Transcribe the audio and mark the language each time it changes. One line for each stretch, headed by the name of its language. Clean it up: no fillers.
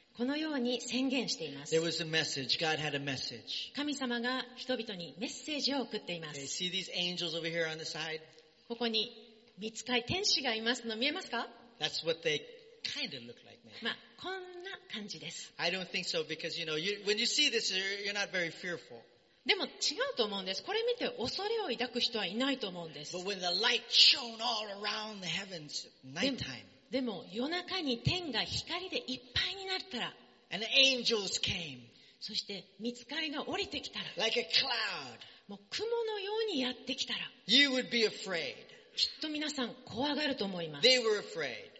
Japanese: このように宣言しています。
English: There was a message. God had a message.
Japanese: 神様が人々にメッセージを送っています。
English: Okay, see these angels over here on the side?
Japanese: ここに御使い天使がいますの見えますか?
English: That's what they kind of look like, maybe.
Japanese: まあ、こんな感じです。
English: I don't think so because, you know, you, when you see this, you're not very fearful.
Japanese: でも違うと思うんです。これ見て恐れを抱く人はいないと思うんです。
English: But when the light shone all around the heavens at night time.
Japanese: でも夜中に天が光でいっぱいになったら、
English: And angels came.
Japanese: そして御使いが降りてきたら、
English: like、a cloud.
Japanese: もう雲のようにやってきたら、
English: you would be afraid.
Japanese: きっと皆さん怖がると思います。
English: They were afraid.